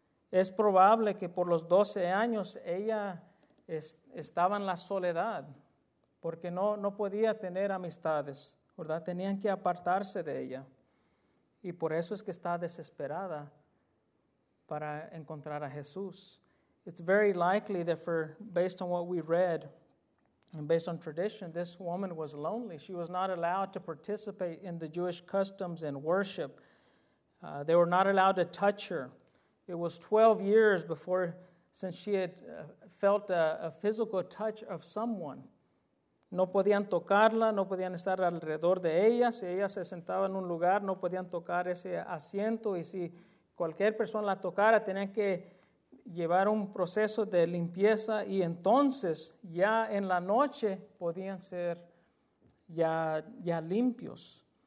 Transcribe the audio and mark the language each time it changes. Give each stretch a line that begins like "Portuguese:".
Spanish: Es probable que por los 12 años ella estaba en la soledad, porque no podía tener amistades, ¿verdad? Tenían que apartarse de ella. Y por eso es que está desesperada para encontrar a Jesús.
English: It's very likely that based on what we read and based on tradition, this woman was lonely. She was not allowed to participate in the Jewish customs and worship. They were not allowed to touch her. It was 12 years before since she had felt a physical touch of someone.
Spanish: No podían tocarla, no podían estar alrededor de ella. Si ella se sentaba en un lugar, no podían tocar ese asiento. Y si cualquier persona la tocara, tenían que llevar un proceso de limpieza, y entonces ya en la noche podían ser ya limpios.